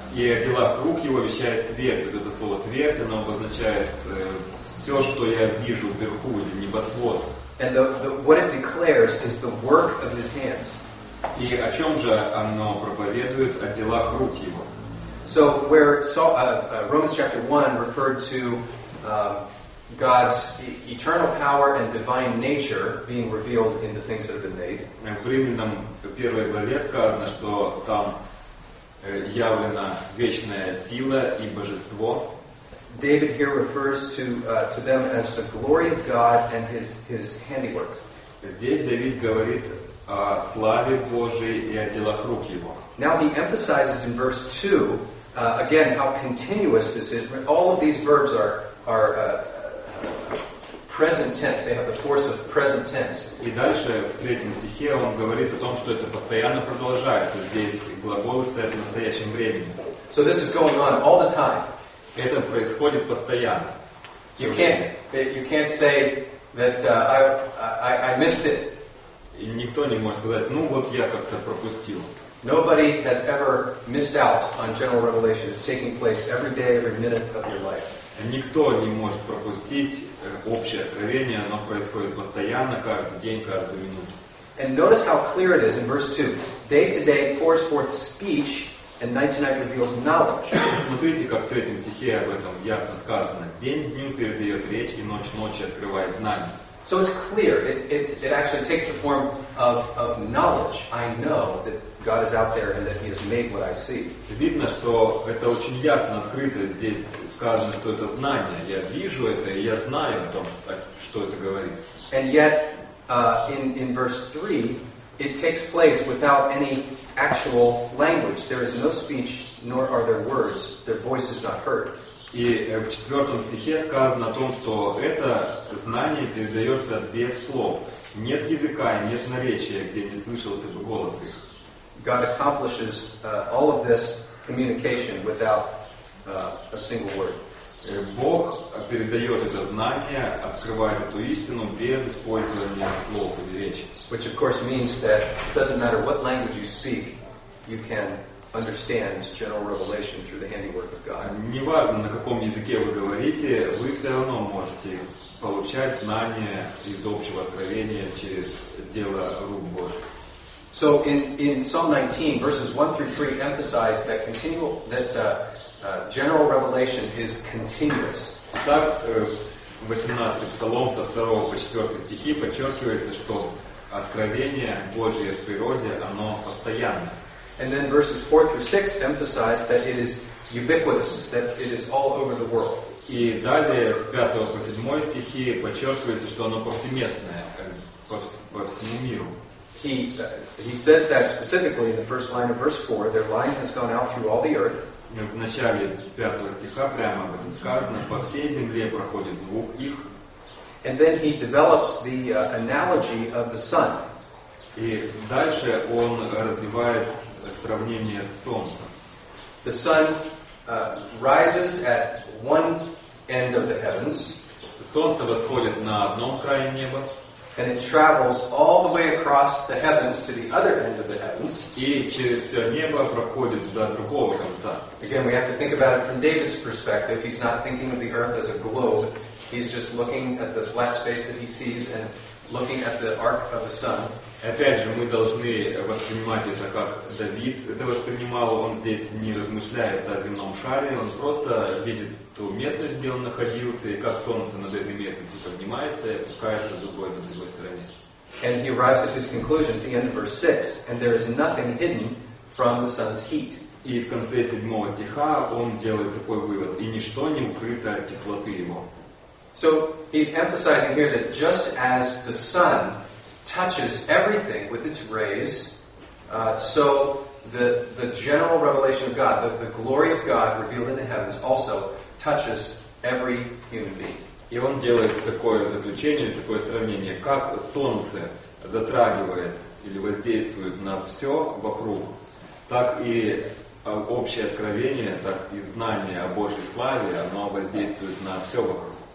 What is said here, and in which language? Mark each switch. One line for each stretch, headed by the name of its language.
Russian: И о делах рук его вещает твердь. Вот это слово твердь, оно обозначает все, что я вижу вверху, или небосвод.
English: And what it declares is the work of his hands.
Russian: И о чем же оно проповедует? О делах рук его.
English: So, where Romans chapter 1 referred to God's eternal power and divine nature being revealed in the things that have been made.
Russian: В Римлянам первой главе сказано, что там явлена вечная сила и божество.
English: David here refers to them as the glory of God and his handiwork.
Russian: Здесь Давид говорит о славе Божией и о делах рук его.
English: Now he emphasizes in verse 2 again how continuous this is. All of these verbs are present tense. They have the force of present tense.
Russian: И дальше в третьем стихе он говорит о том, что это постоянно продолжается. Здесь глаголы стоят в настоящем времени.
English: So this is going on all the time.
Russian: Это происходит постоянно.
English: You can't say that I missed it.
Russian: И никто не может сказать, ну вот я как-то пропустил.
English: Nobody has ever missed out on general revelation. It's taking place every day, every minute of your life.
Russian: Никто не может пропустить общее откровение, оно происходит постоянно, каждый день, каждую минуту.
English: And notice how clear it is in verse 2. Day to day pours forth speech, and night to night reveals knowledge.
Russian: Смотрите, как в третьем стихе об этом ясно сказано. День дню передает речь, и ночь ночи открывает знание.
English: So it's clear. It actually takes the form of knowledge. I know that God is out there and that He has made what I see.
Russian: Видно, что это очень ясно открыто. Здесь сказано, что это знание. Я вижу это, и я знаю о том, что это говорит.
English: And yet, in verse 3, it takes place without any actual language. There is no speech, nor are there words. Their voice is not heard.
Russian: И в четвертом стихе сказано о том, что это знание передается без слов. Нет языка и нет наречия, где не слышался бы голос их.
English: God accomplishes all of this communication without a single word.
Russian: Бог передает это знание, открывает эту истину без использования слов или речи.
English: Which of course means that it doesn't matter what language you speak, you can understand general revelation through the handiwork of God.
Russian: Неважно, на каком языке вы говорите, вы все равно можете получать знания из общего откровения через дело рук Божьих.
English: So in Psalm 19, verses 1 through 3 emphasize that continual that general revelation is continuous.
Russian: Так, в 18 псалом со 2 по 4 стихи подчеркивается, что откровение Божье в природе, оно постоянно.
English: And then verses 4 through 6 emphasize that it is ubiquitous, that it is all over the world.
Russian: И далее с 5 по 7 стихи подчеркивается, что оно повсеместное по всему миру.
English: He says that specifically in the first line of verse 4, their line has gone out through all the earth.
Russian: В начале 5 стиха прямо об этом сказано, по всей земле проходит звук их.
English: And then he develops the analogy of the sun.
Russian: И дальше он развивает сравнение с солнцем.
English: The sun rises at one end of the heavens.
Russian: Солнце восходит на одном крае неба.
English: And it travels all the way across the heavens to the other end of the heavens.
Russian: И через все небо проходит до другого конца.
English: Again, we have to think about it from David's perspective. He's not thinking of the earth as a globe. He's just looking at the flat space that he sees and looking at the arc of the sun.
Russian: Опять же, мы должны воспринимать это, как Давид это воспринимал. Он здесь не размышляет о земном шаре. Он просто видит ту местность, где он находился, и как солнце над этой местностью поднимается и опускается другой на другой стороне.
English: And he arrives at his conclusion at the end of verse 6, and there is nothing hidden from the sun's heat.
Russian: И в конце 7 стиха он делает такой вывод: и ничто не укрыто от теплоты его.
English: So he's emphasizing here that just as the sun touches everything with its rays, so the general revelation of God, the glory of God revealed in the heavens also touches every human being.
Russian: И он делает такое заключение, такое сравнение, как солнце затрагивает или воздействует на все вокруг, так и общее откровение, так и знание о Божьей славе, оно воздействует на все вокруг.